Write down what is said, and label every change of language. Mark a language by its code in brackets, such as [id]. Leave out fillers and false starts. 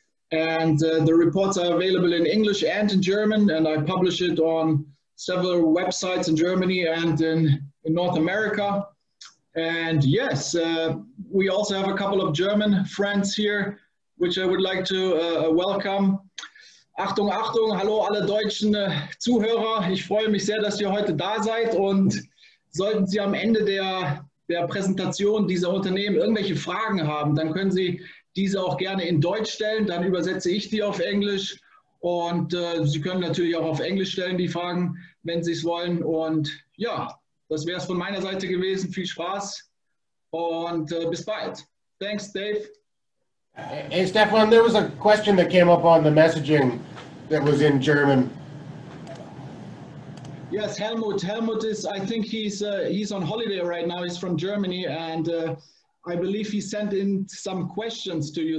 [en] And the reports are available in English and in German, and I publish it on several websites in Germany and in North America. And yes, we also have a couple of German friends here, which I would like to welcome. [de] Achtung, Achtung, hallo alle deutschen Zuhörer. Ich freue mich sehr, dass ihr heute da seid. Und sollten Sie am Ende der Präsentation dieser Unternehmen irgendwelche Fragen haben, dann können Sie diese auch gerne in Deutsch stellen, dann übersetze ich die auf Englisch, und Sie können natürlich auch auf Englisch stellen, die Fragen, wenn Sie es wollen. Und ja, das wäre es von meiner Seite gewesen. Viel Spaß und bis bald. [en] Thanks, Dave. Hey, Stefan, there was a question that came up on the messaging that was in German. Yes, Helmut. Helmut is, I think he's on holiday right now. He's from Germany, and I believe he sent in some questions to you.